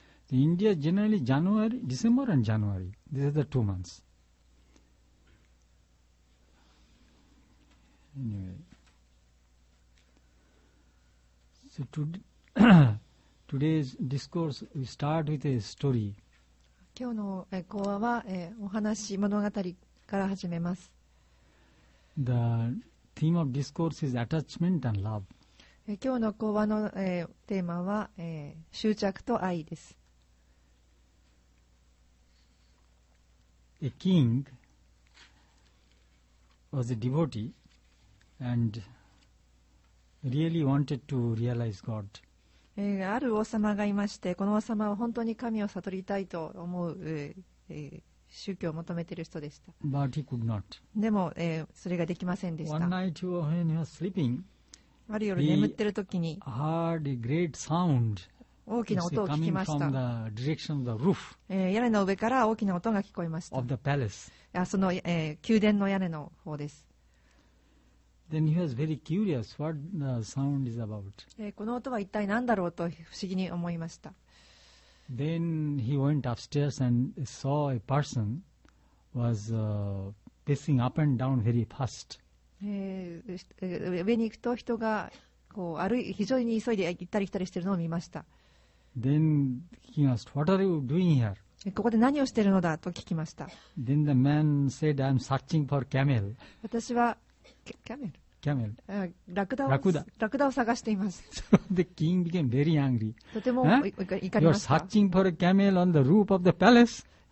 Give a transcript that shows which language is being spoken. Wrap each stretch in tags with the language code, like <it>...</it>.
<en>India generally January, December and January, these are the 2 months. Anyway, so today's discourse, we start with a story.</en> <ja>今日の講話は、お話、物語から始めます。</ja> <en>The theme of discourse is attachment and love.</en> <ja>今日の講話の、テーマは、執着と愛です。</ja> <en>A king was a devotee and really wanted to realize God.</en> <ja>ある王様がいまして、この王様は本当に神を悟りたいと思う、宗教を求めている人でした。</ja> <en>But he could not.</en> <ja>でも、それができませんでした。</ja> <en>One night when he was sleeping,</en> <ja>ある夜眠っている時に</ja> <en>he heard a great sound.</en> <ja>大きな音を聞きました。</ja> <en>coming from the direction of the roof.</en> <ja>屋根の上から大きな音が聞こえました。</ja> <en>Of the palace.</en> <ja>その、宮殿の屋根の方です。</ja> <en>Then he was very curious what the sound is about.</en> <ja>この音は一体何だろうと不思議に思いました。</ja> <en>Then he went upstairs and saw a person was pacing up and down very fast.</en> <ja>上に行くと人がこう歩い非常に急いで行ったり来たりしているのを見ました。</ja> <en>Then he asked, "What are you doing here?"</en> <ja>ここで何をしているのだと聞きました。</ja> <en>Then the man said, "I'm searching for camel."</en> <ja>私は</ja> <en>Camel.</en> <ja>ラクダを探しています。</ja> <en>The king became very angry.</en> <ja>とても怒りました。</ja> <en>You're searching for a camel on the roof of the palace.</en>